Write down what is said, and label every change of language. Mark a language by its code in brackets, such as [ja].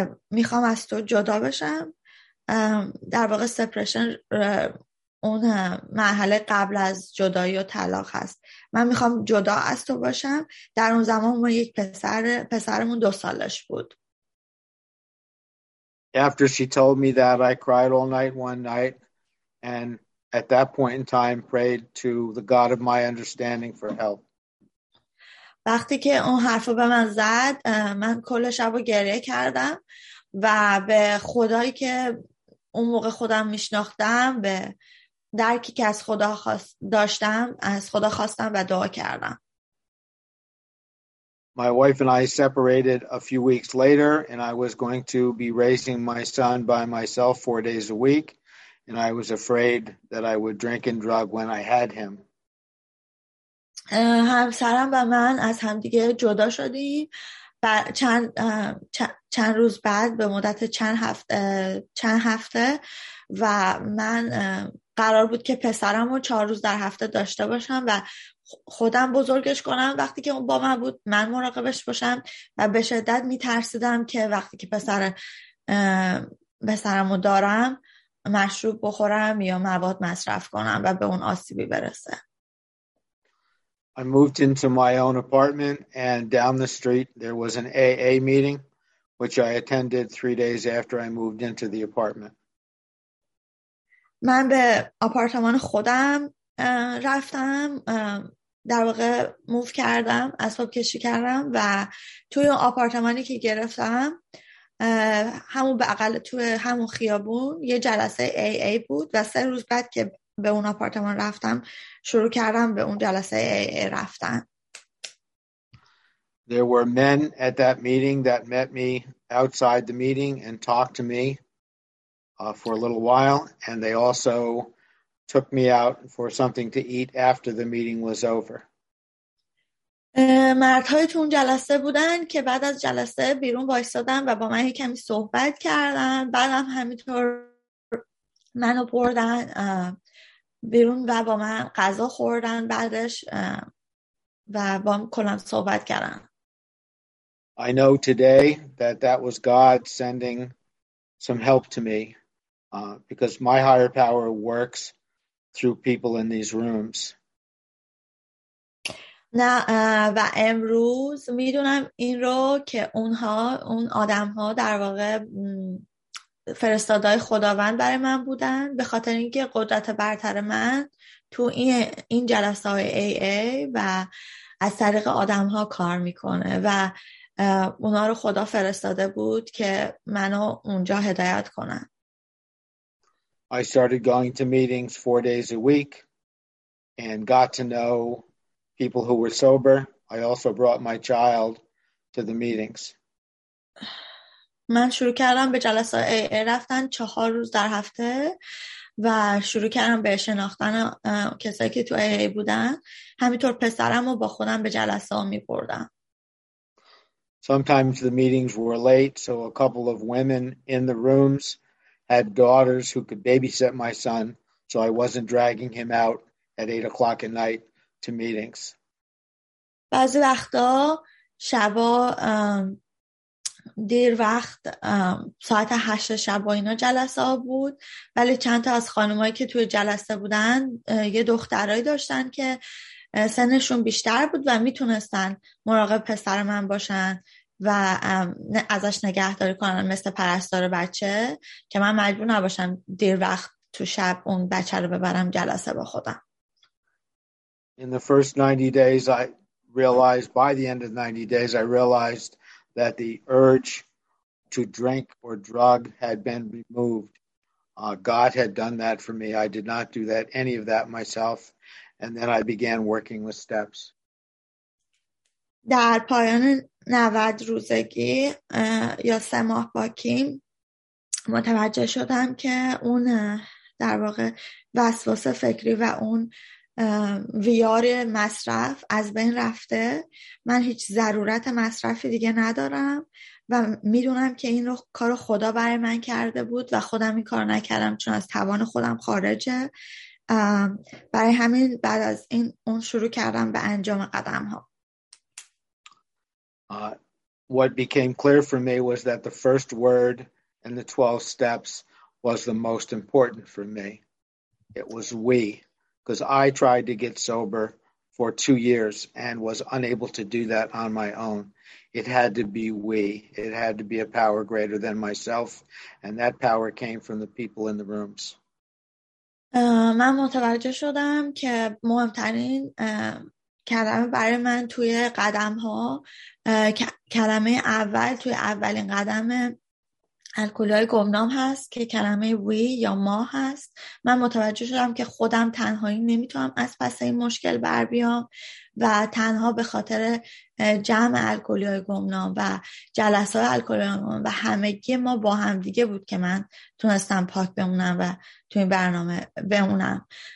[fa] میخوام از تو جدا بشم. در واقع سپرشن اون مرحله قبل از جدایی و طلاق هست. من میخوام جدا از تو باشم. در اون زمان ما یک پسرمون 2 سالش بود. [en] After she told me that, I cried all night one night, and at that point in time prayed to the God of my understanding for help. [fa] وقتی که اون حرفو به من زد من کل شبو گریه کردم و به خدایی که اون موقع خودم میشناختم به درکی که از خدا داشتم از خدا خواستم و دعا کردم. [en] My wife and I separated a few weeks later and I was going to be raising my son by myself 4 days a week and I was afraid that I would drink and drug when I had him. [fa] همسرم و من از همدیگه جدا شدیم و چند روز بعد به مدت چند هفته و من قرار بود که پسرم رو 4 روز در هفته داشته باشم و خودم بزرگش کنم. وقتی که اون با من بود من مراقبش باشم و به شدت میترسیدم که وقتی که پسرم رو دارم مشروب بخورم یا مواد مصرف کنم و به اون آسیبی برسه. [en] I moved into my own apartment and down the street there was an AA meeting which I attended 3 days after I moved into the apartment. [fa] من به آپارتمان خودم رفتم، در واقع موو کردم، اسباب کشی کردم و توی آپارتمانی که گرفتم همون بغل توی همون خیابون یه جلسه AA بود و 3 روز بعد که به اون آپارتمان رفتم شروع کردم به اون جلسه AA رفتن. [en] There were men at that meeting that met me outside the meeting and talked to me for a little while and they also took me out for something to eat after the meeting was over. [fa] مردهای تو اون جلسه بودن که بعد از جلسه بیرون وایسادن و با من یه کمی صحبت کردن، بعدم همینطور منو بردن بیرون و با من غذا خوردن بعدش و با من کلا صحبت کردن. [en] I know today that that was God sending some help to me because my higher power works through people in these rooms. [fa] نه و امروز میدونم این رو که اونها اون آدم‌ها در واقع فرستادهای خداوند برای من بودن به خاطر اینکه قدرت برتر من تو این جلسه های AA و از طریق آدم ها کار میکنه و اونا رو خدا فرستاده بود که منو اونجا هدایت کنن. [en] I started going to meetings 4 days a week and got to know people who were sober. I also brought my child to the meetings. [fa] من شروع کردم به جلسه AA رفتن 4 روز در هفته و شروع کردم به شناختن کسایی که تو AA بودن. همینطور پسرم رو با خودم به جلسه ها می بردم. [en] Sometimes the meetings were late, so a couple of women in the rooms had daughters who could babysit my son, so I wasn't dragging him out at 8 o'clock at night to meetings. [fa] بعضی وقتا شبا دیر وقت ساعت 8 شب و اینا جلسه ها بود، ولی چند تا از خانمایی که توی جلسه بودن یه دخترایی داشتن که سنشون بیشتر بود و میتونستن مراقب پسر من باشن و ازش نگهداری کنن مثل پرستار بچه که من مجبور نباشم دیر وقت تو شب اون بچه رو ببرم جلسه با خودم. [en] In the first 90 days I realized by the end of 90 days I realized that the urge to drink or drug had been removed. God had done that for me. I did not do that, any of that myself. And then I began working with steps. [fa] در پایان 90 روزگی یا 3 ماه با کیم متوجه شدم که اون در واقع وسواس فکری و اون ویار مصرف از بین رفته. من هیچ ضرورت مصرفی دیگه ندارم و میدونم که این رو کار خدا برای من کرده بود و خودم این کار نکردم چون از توان خودم خارجه. برای همین بعد از این اون شروع کردم به انجام قدم ها. [en] what became clear for me was that the first word in the 12 steps was the most important for me. It was we, because I tried to get sober for 2 years and was unable to do that on my own. It had to be we. It had to be a power greater than myself. And that power came from the people in the rooms. [fa] من متوجه شدم که مهمترین کلمه برای من توی قدم ها کلمه اول توی اولین قدم الکلی‌های گمنام هست که کلمه وی یا ما هست. من متوجه شدم که خودم تنهایی نمیتونم از پس این مشکل بر بیام و تنها به خاطر جمع الکلی‌های گمنام و جلسات الکلی‌های گمنام و همگی ما با هم دیگه بود که من تونستم پاک بمونم و توی برنامه بمونم.